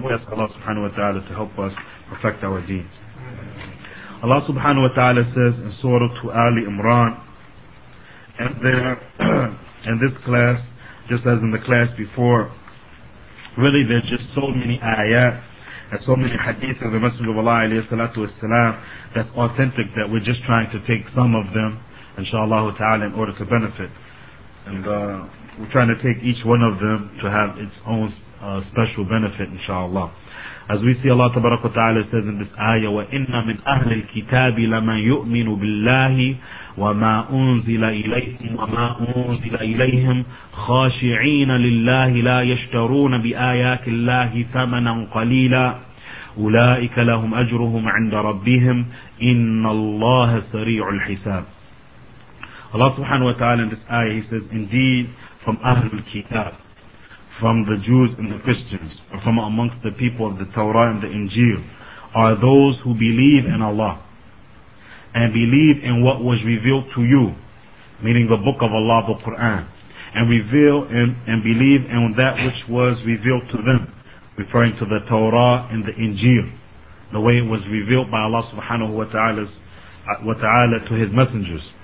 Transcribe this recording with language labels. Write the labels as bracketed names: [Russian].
[English] We ask Allah subhanahu wa ta'ala to help us perfect our deen. Allah subhanahu wa ta'ala says in Surah to Ali Imran, and there, in this class, just as in the class before, really there's just so many ayat and so many hadith of the Messenger of Allah alayhi salatu wasalam that's authentic, that we're just trying to take some of them, inshallah ta'ala, in order to benefit. And we're trying to take each one of them to have its own special benefit, inshallah. As we see, Allah tabaraka wa ta'ala says in this ayah, [Arabic] وَإِنَّ مِنْ أَهْلِ الْكِتَابِ لَمَنْ يُؤْمِنُ بِاللَّهِ وَمَا أُنزِلَ إِلَيْهِمْ وَمَا أُنزِلَ إِلَيْهِمْ خَاشِعِينَ لِلَّهِ لَا يَشْتَرُونَ بِآيَاتِ اللَّهِ ثَمَنًا قَلِيلًا أُولَئِكَ لَهُمْ أَجْرُهُمْ عِنْدَ رَبِّهِمْ إِنَّ اللَّهَ سَرِيعُ الْحِسَابِ. [English] Allah subhanahu wa ta'ala in this ayah, he says, indeed, from Ahlul Kitab, from the Jews and the Christians, or from amongst the people of the Torah and the Injil, are those who believe in Allah and believe in what was revealed to you, meaning the book of Allah, the Quran, and reveal and believe in that which was revealed to them, referring to the Torah and the Injil, the way it was revealed by Allah subhanahu wa ta'ala to His messengers.